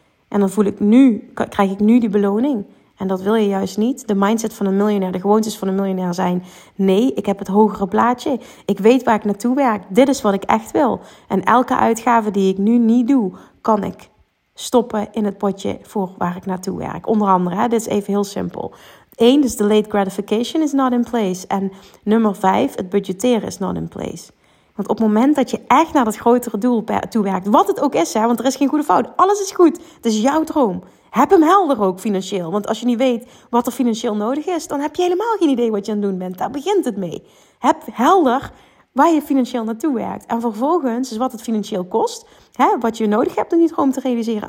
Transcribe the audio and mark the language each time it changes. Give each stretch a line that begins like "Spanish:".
Dutch: En dan voel ik nu, krijg ik nu die beloning. En dat wil je juist niet. De mindset van een miljonair, de gewoontes van een miljonair zijn, nee, ik heb het hogere plaatje. Ik weet waar ik naartoe werk. Dit is wat ik echt wil. En elke uitgave die ik nu niet doe, kan ik stoppen in het potje voor waar ik naartoe werk. Onder andere, dit is even heel simpel.
English: 1, dus delayed gratification is not in place.
Dutch: En 5, het budgetteren is
English: not in place.
Dutch: Want op het moment dat je echt naar dat grotere doel toe werkt, wat het ook is, hè, want er is geen goede fout, alles is goed. Het is jouw droom. Heb hem helder ook financieel. Want als je niet weet wat er financieel nodig is, dan heb je helemaal geen idee wat je aan het doen bent. Daar begint het mee. Heb helder waar je financieel naartoe werkt. En vervolgens is wat het financieel kost, hè, wat je nodig hebt om die droom te realiseren.